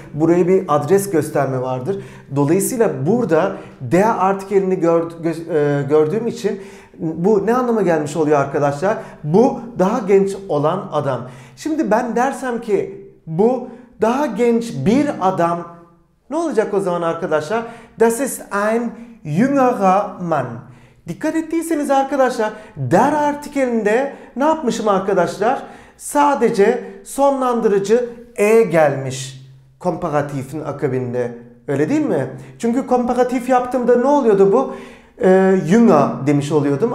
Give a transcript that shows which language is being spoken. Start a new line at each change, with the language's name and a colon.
Turkish: Buraya bir adres gösterme vardır. Dolayısıyla burada der artikelini gördüğüm için bu ne anlama gelmiş oluyor arkadaşlar? Bu daha genç olan adam. Şimdi ben dersem ki bu daha genç bir adam ne olacak o zaman arkadaşlar?
German: Das ist ein jüngerer Mann.
Turkish: Dikkat ettiyseniz arkadaşlar der artikelinde ne yapmışım arkadaşlar? Sadece sonlandırıcı e gelmiş komparatifin akabinde. Öyle değil mi? Çünkü komparatif yaptığımda ne oluyordu bu? Jünger demiş oluyordum.